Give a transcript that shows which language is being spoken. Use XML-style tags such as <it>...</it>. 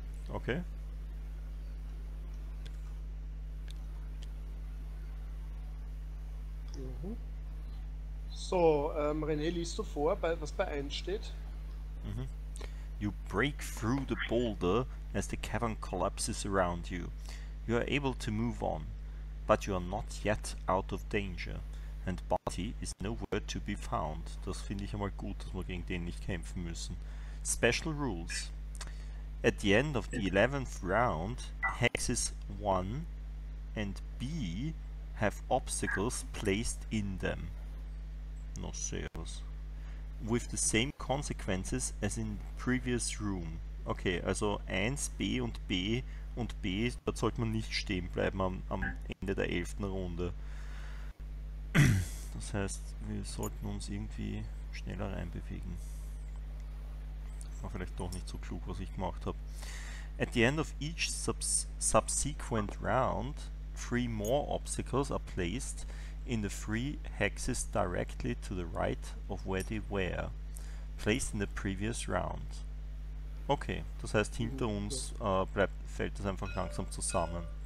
<en>Okay.</en> <de>So, René, liest du vor, was bei 1 steht? Mm-hmm.</de> <en>You break through the boulder as the cavern collapses around you. You are able to move on, but you are not yet out of danger. And Barty is nowhere to be found.</en> <de>Das finde ich einmal gut, dass wir gegen den nicht kämpfen müssen.</de> <en>Special rules. At the end of the 11th round, Hexes 1 and B have obstacles placed in them. No sales. With the same consequences as in previous room.</en> <de>Okay, also 1, B und B und B, da sollte man nicht stehen bleiben am Ende der 11. Runde. Das heißt, wir sollten uns irgendwie schneller reinbewegen. War vielleicht doch nicht so klug, was ich gemacht habe.</de> <en>At the end of each subsequent round, three more obstacles are placed in the three hexes directly to the right of where they were, placed in the previous round.</en> <de>Okay, das heißt, hinter uns fällt das einfach langsam zusammen.</de>